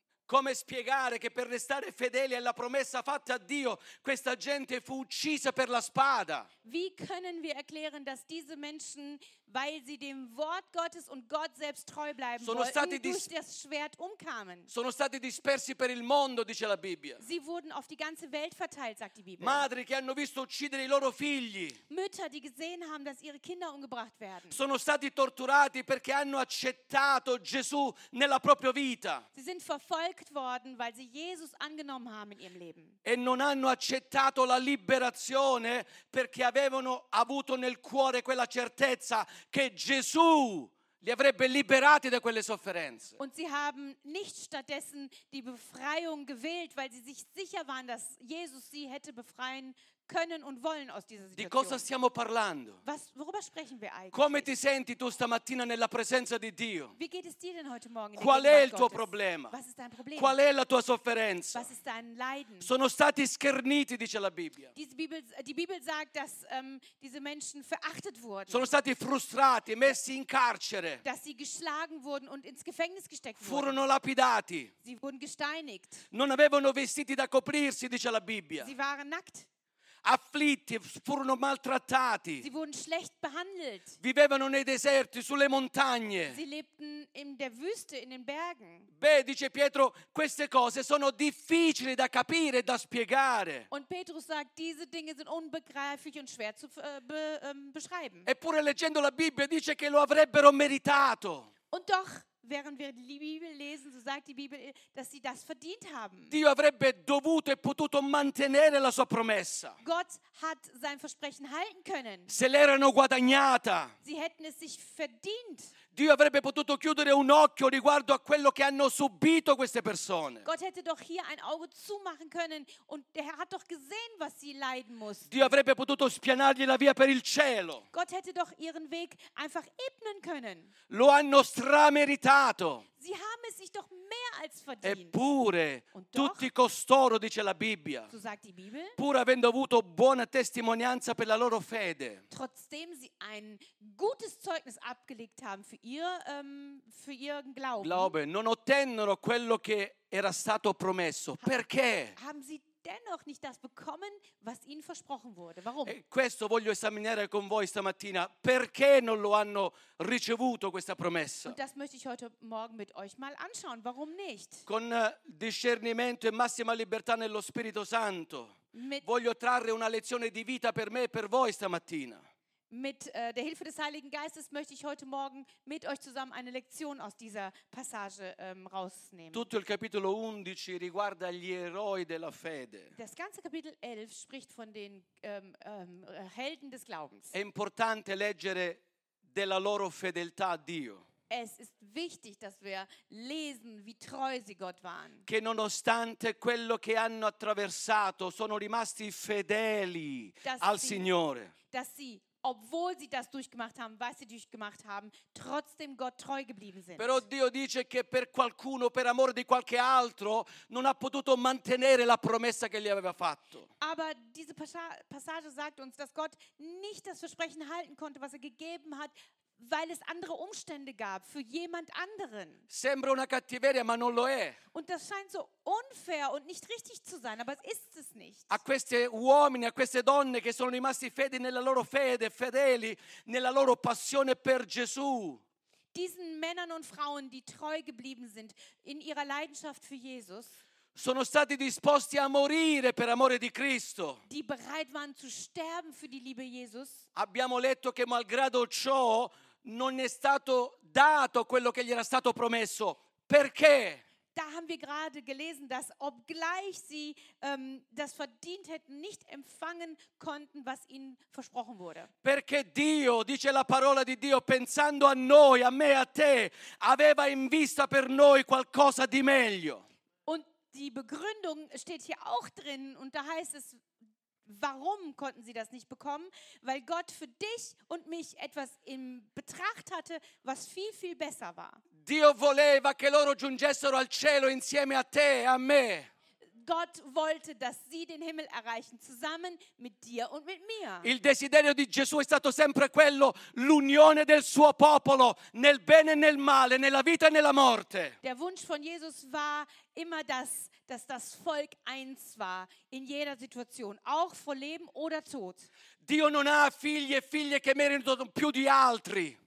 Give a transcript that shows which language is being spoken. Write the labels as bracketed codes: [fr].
[it] Come spiegare che per restare fedeli alla promessa fatta a Dio questa gente fu uccisa per la spada? [de] Wie können wir erklären, dass diese Menschen, weil sie dem Wort Gottes und Gott selbst treu bleiben wollten, durch das Schwert umkamen? [it] Sono stati dispersi per il mondo, dice la Bibbia. [de] Sie wurden auf die ganze Welt verteilt, sagt die Bibel. [it] Madri che hanno visto uccidere i loro figli. [de] Mütter, die gesehen haben, dass ihre Kinder umgebracht werden. [it] Sono stati torturati perché hanno accettato Gesù nella propria vita. [de] Sie sind verfolgt worden, weil sie Jesus angenommen haben in ihrem Leben. [it] E non hanno accettato la liberazione perché avevano avuto nel cuore quella certezza che Gesù li avrebbe liberati da quelle sofferenze. [de] Und sie haben nicht stattdessen die Befreiung gewählt, weil sie sich sicher waren, dass Jesus sie hätte befreien können und wollen aus dieser Situation. [it] Di cosa stiamo parlando? [de] Worüber sprechen wir eigentlich? [it] Come ti senti tu stamattina nella presenza di Dio? [de] Wie geht es dir denn heute Morgen? [it] Qual è il tuo problema? [de] Was ist dein Problem? [it] Qual è la tua sofferenza? [de] Was ist dein Leiden? [it] Sono stati scherniti, dice la Bibbia. [de] Die Bibel sagt, dass diese Menschen verachtet wurden. [it] Sono stati frustrati, messi in carcere. [de] Dass sie geschlagen wurden und ins Gefängnis gesteckt [it] furono Furono lapidati. [de] Sie wurden gesteinigt. [it] Non avevano vestiti da coprirsi, dice la Bibbia. [de] Sie waren nackt. [it] Afflitti, furono maltrattati. [de] Sie wurden schlecht behandelt. [it] Vivevano nei deserti, sulle montagne. [de] Sie lebten in der Wüste, in den Bergen. [it] Beh, dice Pietro, queste cose sono difficili da capire, da spiegare. [de] Und Petrus sagt, diese Dinge sind unbegreiflich und schwer zu beschreiben. [it] Eppure leggendo la Bibbia dice che lo avrebbero meritato. [de] Und doch, während wir die Bibel lesen, so sagt die Bibel, dass sie das verdient haben. [it] Dio avrebbe dovuto e potuto mantenere la sua promessa. [de] Gott hat sein Versprechen halten können. [it] Se l'erano guadagnata. [de] Sie hätten es sich verdient. [it] Dio avrebbe potuto chiudere un occhio riguardo a quello che hanno subito queste persone. [de] Gott hätte doch hier ein Auge zumachen können und er hat doch gesehen, was sie leiden mussten. [it] Dio avrebbe potuto spianargli la via per il cielo. [de] Gott hätte doch ihren Weg einfach ebnen können. [it] Lo hanno strameritato. [de] Sie haben es sich doch mehr als verdient. [it] Eppure, doch, tutti costoro, dice la Bibbia, [de] so sagt die Bibel, [it] pur avendo avuto buona testimonianza per la loro fede, [de] trotzdem sie ein gutes Zeugnis abgelegt haben für ihren Glauben, [it] non ottennero quello che era stato promesso. Perché? [de] Haben sie dennoch nicht das bekommen, was ihnen versprochen wurde. Warum? E [it] questo voglio esaminare con voi stamattina. Perché non lo hanno ricevuto questa promessa? [de] Und das möchte ich heute Morgen mit euch mal anschauen. Warum nicht? [it] Con discernimento e massima libertà nello Spirito Santo voglio trarre una lezione di vita per me e per voi stamattina. [de] Mit der Hilfe des Heiligen Geistes möchte ich heute Morgen mit euch zusammen eine Lektion aus dieser Passage rausnehmen. [it] Tutto il capitolo 11 riguarda gli eroi della fede. [de] Das ganze Kapitel 11 spricht von den Helden des Glaubens. [it] È importante leggere della loro fedeltà a Dio. [de] Es ist wichtig, dass wir lesen, wie treu sie Gott waren. [it] Che nonostante quello che hanno attraversato, sono rimasti fedeli al Signore. [de] Dass sie, obwohl sie das durchgemacht haben, was sie durchgemacht haben, trotzdem Gott treu geblieben sind. [it] Però Dio dice che per qualcuno, per amore di qualche altro, non ha potuto mantenere la promessa che gli aveva fatto. [de] Aber diese Passage sagt uns, dass Gott nicht das Versprechen halten konnte, was er gegeben hat, weil es andere Umstände gab für jemand anderen. [it] Sembra una cattiveria, ma non lo è. [de] Und das scheint so unfair und nicht richtig zu sein, aber es ist es nicht. [it] A queste uomini, a queste donne che sono rimasti fedeli nella loro fede, fedeli nella loro passione per Gesù. [de] Diesen Männern und Frauen, die treu geblieben sind in ihrer Leidenschaft für Jesus, [it] sono stati disposti a morire per amore di Cristo. [de] Die bereit waren zu sterben für die Liebe Jesus. [it] Abbiamo letto che malgrado ciò non è stato dato quello che gli era stato promesso. Perché? [de] Da haben wir gerade gelesen, dass obgleich sie das verdient hätten, nicht empfangen konnten, was ihnen versprochen wurde. [it] Perché Dio, dice la parola di Dio, pensando a noi, a me, a te, aveva in vista per noi qualcosa di meglio. [de] Die Begründung steht hier auch drin und da heißt es, warum konnten sie das nicht bekommen? Weil Gott für dich und mich etwas in Betracht hatte, was viel, viel besser war. [it] Dio voleva che loro giungessero al cielo insieme a te e a me. [de] Gott wollte, dass sie den Himmel erreichen, zusammen mit dir und mit mir. [it] Il desiderio di Gesù è stato sempre quello, l'unione del suo popolo, nel bene e nel male, nella vita e nella morte. [de] Der Wunsch von Jesus war immer das, dass das Volk eins war, in jeder Situation, auch vor Leben oder Tod. [it] Dio non ha figli e figlie che meritano più di altri.